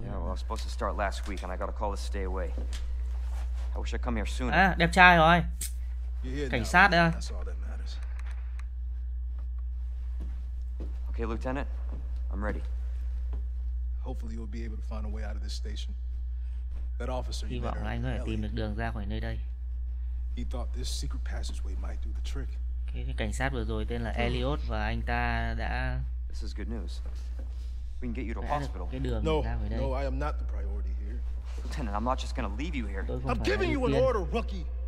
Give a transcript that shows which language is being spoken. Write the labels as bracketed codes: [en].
[en] Yeah, I was supposed to start last week and I got a call to stay away. I wish I'd come here sooner. [vi] À, đẹp trai rồi. Cảnh sát đây. [en] Okay, Lieutenant, I'm ready. Hopefully you'll be able to find a way out of this station. That officer, you met earlier, [vi] Elliot, tìm được đường ra khỏi nơi đây. [en] He thought this secret passageway might do the trick. [vi] Cái cảnh sát vừa rồi tên là Elliot và anh ta đã... [en] This is good news. We can get you to a hospital. No, no, I am not the priority here. Lieutenant, I'm not just gonna leave you here. I'm giving you an order, rookie.